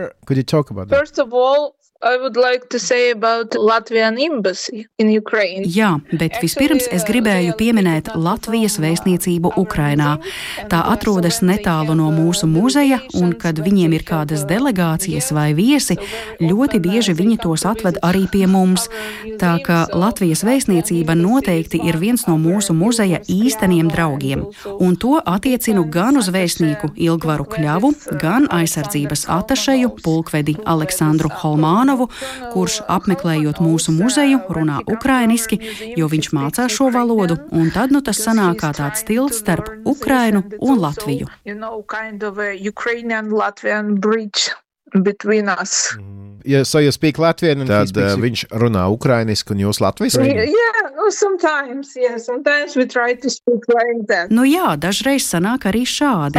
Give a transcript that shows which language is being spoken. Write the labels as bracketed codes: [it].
[en] Could you talk about that? First of all, I would like to say about Latvian embassy in Ukraine. [lv] Jā, bet vispirms es gribēju pieminēt Latvijas vēstniecību Ukrainā. Tā atrodas netālu no mūsu muzeja, un kad viņiem ir kādas delegācijas vai viesi, ļoti bieži viņi tos atved arī pie mums. Tā ka Latvijas vēstniecība noteikti ir viens no mūsu muzeja īsteniem draugiem. Un to attiecinu gan uz vēstnieku Ilgvaru Kļavu, gan aizsardzības atašeju pulkvedi Aleksandru Holmā. Manovu, kurš apmeklējot mūsu muzeju, runā ukrainiski, jo viņš mācā šo valodu, un tad nu tas sanāk kā tāds tilts starp Ukrainu un Latviju. [en] You know, kind of a Ukrainian-Latvian bridge between us. Yeah, so you speak Latvian and [lv] tad viņš runā ukrainiski un jūs latviski? [en] Sometimes we try to speak like that. [lv] Nu jā, dažreiz sanāk arī šādi.